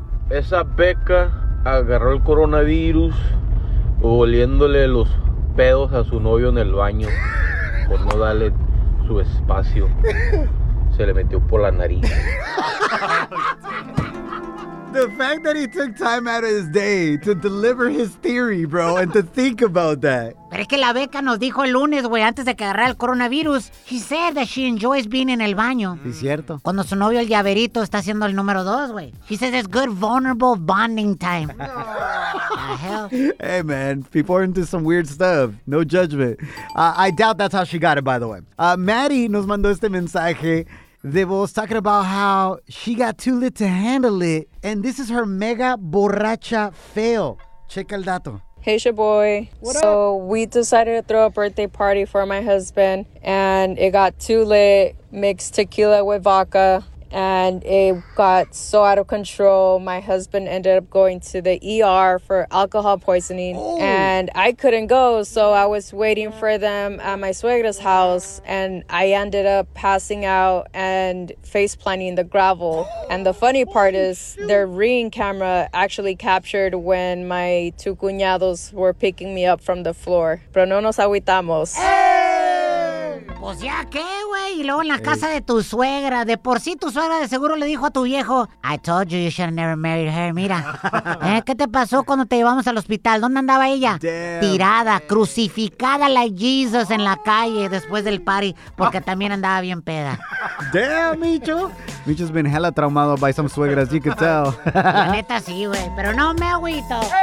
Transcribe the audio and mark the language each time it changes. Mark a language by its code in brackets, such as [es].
[es] Esa Becca agarró el coronavirus oliéndole los pedos a su novio en el baño por no darle su espacio. Se le metió por la nariz. [en] The fact that he took time out of his day to deliver his theory, bro, and to think about that. [es] Pero es que la Becca nos dijo el lunes, güey, antes de que agarrara el coronavirus, [en] he said that she enjoys being in [es] el baño. Sí, cierto. Cuando su novio, el llaverito, está haciendo el número dos, güey. [en] He says it's good vulnerable bonding time. Hey, man, people are into some weird stuff. No judgment. I doubt that's how she got it, by the way. Maddie [es] nos mandó este mensaje. [en] They was talking about how she got too lit to handle it, and this is her [es] mega borracha [en] fail. [es] Checa el dato. [en] Hey, Shaboy. So we decided to throw a birthday party for my husband, and it got too lit, mixed tequila with vodka, and it got so out of control. My husband ended up going to the ER for alcohol poisoning, and I couldn't go, so I was waiting for them at my suegra's house, and I ended up passing out and face planting the gravel. And the funny part is their Ring camera actually captured when my two cuñados were picking me up from the floor. [es] Pero no nos agüitamos. Pues ya, ¿qué, güey? Y luego en la casa de tu suegra. De por sí, tu suegra de seguro le dijo a tu viejo, [en] I told you should have never married her. [es] Mira, ¿qué te pasó cuando te llevamos al hospital? ¿Dónde andaba ella? [en] Damn, [es] tirada, man. Crucificada [en] like Jesus [es] en la calle después del party, porque también andaba bien peda. [en] Damn, Micho. Micho's been hella traumado by some suegras, you can tell. [es] La neta sí, güey, pero no me agüito.